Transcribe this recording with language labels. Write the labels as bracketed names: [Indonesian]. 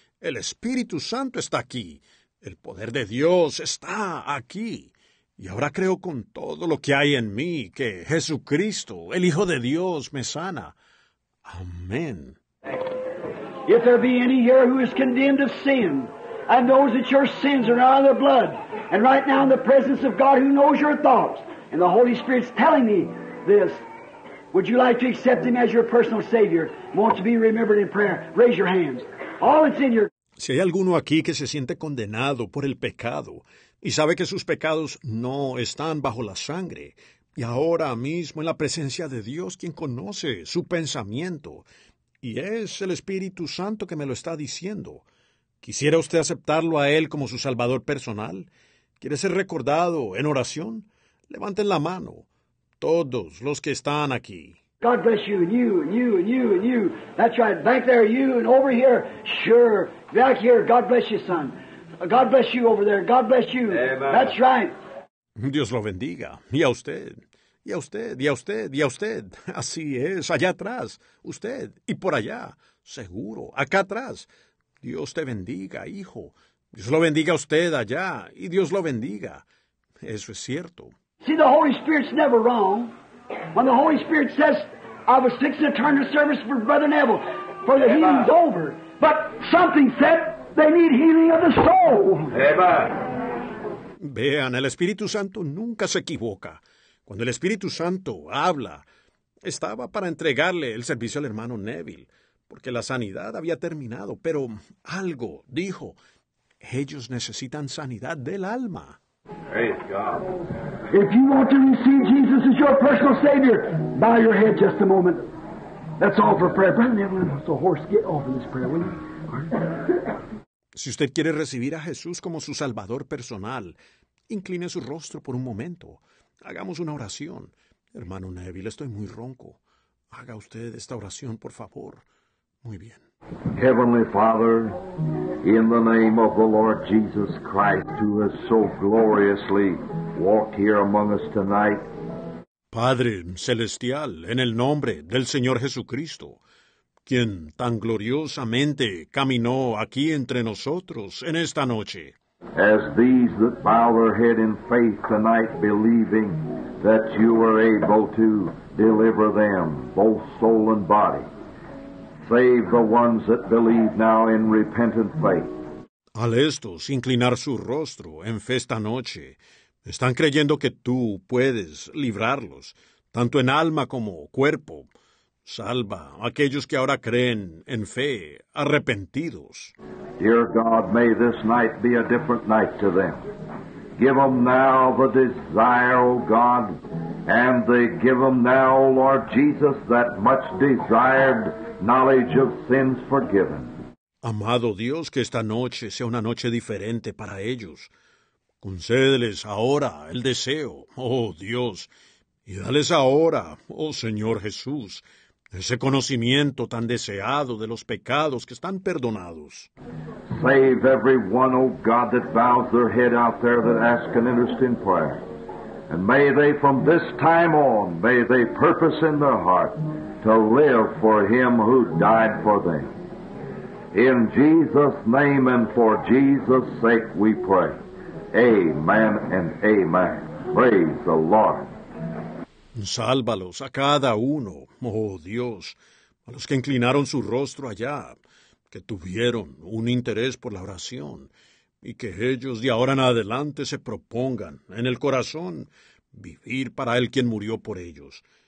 [Spanish] El Espíritu Santo está aquí. El poder de Dios está aquí. Y ahora creo con todo lo que hay en mí que Jesucristo, el Hijo de Dios, me sana. Amén. [English] If there be any here who is condemned of sin, and knows that your sins are not of the blood, and right now in the presence of God who knows your thoughts, and the Holy Spirit's telling me this, would you like to accept Him as your personal Savior? Want to be remembered in prayer? Raise your hands. All that's in your... [Spanish] Si hay alguno aquí que se siente condenado por el pecado y sabe que sus pecados no están bajo la sangre, y ahora mismo en la presencia de Dios, quien conoce su pensamiento, y es el Espíritu Santo que me lo está diciendo, ¿quisiera usted aceptarlo a Él como su Salvador personal? ¿Quiere ser recordado en oración? Levanten la mano, todos los que están aquí. [English] God bless you, and you, and you, and you, and you. That's right, back there, you, and over here, sure. Back here, God bless you, son. God bless you over there, God bless you. Amen. That's right. [Spanish] Dios lo bendiga. Y a usted, y a usted, y a usted, y a usted. Así es, allá atrás, usted, y por allá, seguro, acá atrás. Dios te bendiga, hijo. Dios lo bendiga a usted allá, y Dios lo bendiga. Eso es cierto. [English] See, the Holy Spirit's never wrong. When the Holy Spirit says, I was fixing to turn the service for Brother Neville, for the Amen. Healing's over. But something said they need healing of the soul. Amen. [Spanish] Vean, el Espíritu Santo nunca se equivoca. Cuando el Espíritu Santo habla, estaba para entregarle el servicio al hermano Neville, porque la sanidad había terminado. Pero algo dijo, ellos necesitan sanidad del alma. [English] Praise God. If you want to receive Jesus as your personal Savior, bow your head just a moment. That's all for prayer. Brother Neville, let's the horse get off of this prayer, will you? [Spanish] Si usted quiere recibir a Jesús como su Salvador personal, incline su rostro por un momento. Hagamos una oración. Hermano Neville, estoy muy ronco. Haga usted esta oración, por favor. Muy bien. [English] Heavenly Father, in the name of the Lord Jesus Christ, who has so gloriously walked here among us tonight. [Spanish] Padre celestial, en el nombre del Señor Jesucristo, quien tan gloriosamente caminó aquí entre nosotros en esta noche. [English] As these that bow their head in faith tonight, believing that you are able to deliver them, both soul and body. Save the ones that believe now in repentant faith. [Spanish] Al estos inclinar su rostro en fe esta noche, están creyendo que tú puedes librarlos, tanto en alma como cuerpo. Salva a aquellos que ahora creen en fe, arrepentidos. [English] Dear God, may this night be a different night to them. Give them now the desire, O God, and they give them now, O Lord Jesus, that much desired knowledge of sins forgiven. [Spanish] Amado Dios, que esta noche sea una noche diferente para ellos. Concédeles ahora el deseo, oh Dios, y dales ahora, oh Señor Jesús, ese conocimiento tan deseado de los pecados que están perdonados. [English] Save everyone, oh God, that bows their head out there that asks an interesting prayer. And may they from this time on, may they purpose in their heart to live for Him who died for them. In Jesus' name and for Jesus' sake we pray. Amen and amen. Praise the Lord. [Spanish] Sálvalos a cada uno, oh Dios, a los que inclinaron su rostro allá, que tuvieron un interés por la oración, y que ellos de ahora en adelante se propongan en el corazón vivir para el quien murió por ellos.